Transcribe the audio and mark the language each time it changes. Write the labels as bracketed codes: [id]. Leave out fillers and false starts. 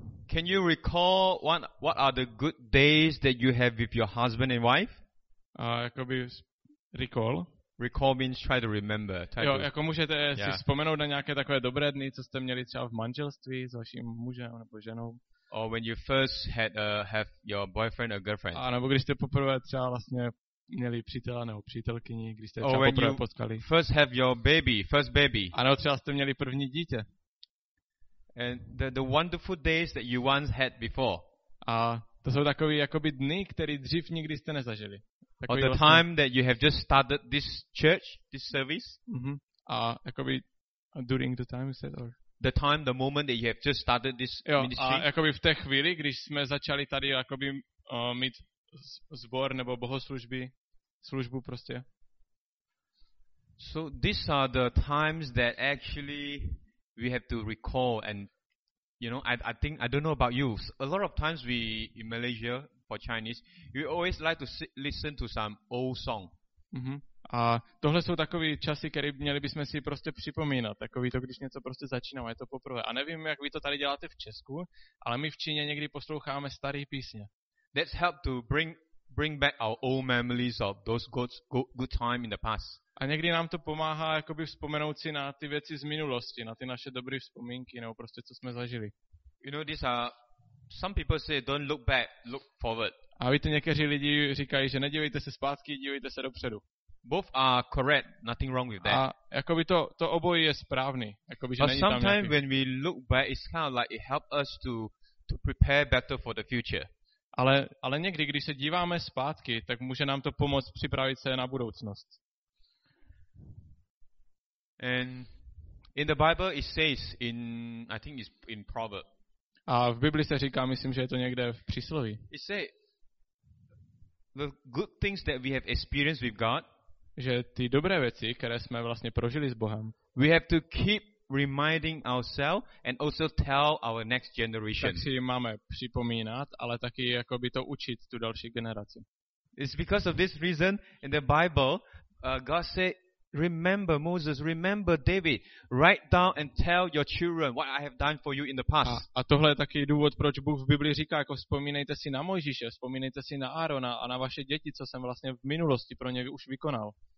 [en] Can you recall what are the good days that you have with your husband and wife? [cs] Jakoby recall. [en] Recall means try to remember. [cs] Jo, jako můžete si vzpomenout na nějaké takové dobré dny, co jste měli třeba v manželství s vaším mužem nebo ženou. [en] Or when you first had have your boyfriend or girlfriend. [cs] A nebo když jste poprvé třeba vlastně měli přítela nebo přítelkyni, když jste třeba poprvé potkali. [en] First have your baby, first baby. [cs] A nebo třeba jste měli první dítě. [en] And the wonderful days that you once had before. [cs] A to jsou takové jakoby dny, které dřív nikdy jste nezažili. [en] Or the time that you have just started this church, this service. Mm-hmm. Jakoby during the time you said, or the time, the moment that you have just started this ministry. [cs] Jakoby v té chvíli, když jsme začali tady jakoby mít sbor nebo bohoslužby, službu prostě. [en] So these are the times that actually we have to recall, and you know, I think I don't know about you. A lot of times we in Malaysia. For Chinese, you always like to listen to some old song. Mm-hmm. [cs] A tohle jsou takový časy, které měli bychom si prostě připomínat. Takový to, když něco prostě začínáme, je to poprvé. A nevím, jak vy to tady děláte v Česku, ale my v Číně někdy posloucháme staré písně. [en] That's help to bring back our old memories of those good time in the past. [cs] A někdy nám to pomáhá jakoby vzpomenout si na ty věci z minulosti, na ty naše dobré vzpomínky nebo prostě co jsme zažili. [en] You know, these are some people say don't look back, look forward. [cs] A víte, někteří lidi říkají, že nedívejte se zpátky, dívejte se dopředu. [en] Both are correct, nothing wrong with that. [cs] A jakoby to obojí je správný, jakoby že není tam. [en] Sometimes when we look back, it's kind of like it helps us to prepare better for the future. [cs] Ale někdy, když se díváme zpátky, tak může nám to pomoct připravit se na budoucnost. [en] And in the Bible it says in I think it's in Proverbs. [cs] A v Bibli se říká, myslím, že je to někde v přísloví. [en] It say the good things that we have experienced with God. [cs] že ty dobré věci, které jsme vlastně prožili s Bohem. [en] We have to keep reminding ourselves and also tell our next generation. [cs] Tak si máme připomínat, ale taky jako by to učit tu další generaci. [en] It's because of this reason in the Bible, God said, remember Moses, remember David, write down and tell your children what I have done for you in the past. [cs] A tohle je taky důvod, proč Bůh v Biblii říká, jako vzpomínejte si na Mojžíše, vzpomínejte si na Aarona a na vaše děti, co jsem vlastně v minulosti pro ně už vykonal.